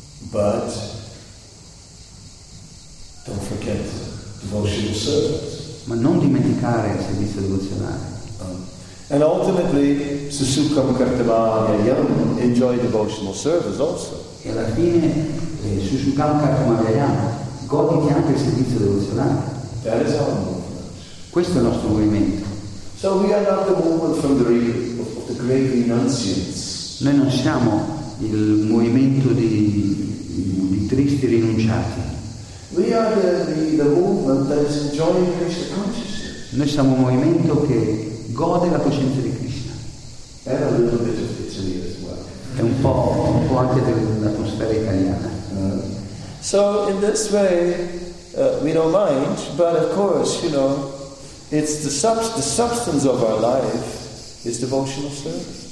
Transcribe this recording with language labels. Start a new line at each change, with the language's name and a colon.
English: But don't forget devotional service.
Italian: Ma non dimenticare il servizio devozionale.
English: And ultimately,
Sanskrit: susukam kartavanya yam,
English: enjoy devotional service also.
Italian: e alla fine
Sanskrit: susukanka kumadayana,
Italian: goditi anche il servizio devozionale.
English: That is our movement.
Italian: Questo è il nostro movimento.
English: So we are not the movement from the great renunciants.
Italian: Noi non siamo il movimento di tristi rinunciati.
English: We are the movement that is enjoying Krishna consciousness.
Italian: Noi siamo un movimento che gode la coscienza di Krishna.
English: And a little bit of Italy as well.
Italian: È un po' anche dell'atmosfera italiana.
English: So in this way we don't mind, but of course, you know, it's the substance of our life is devotional service.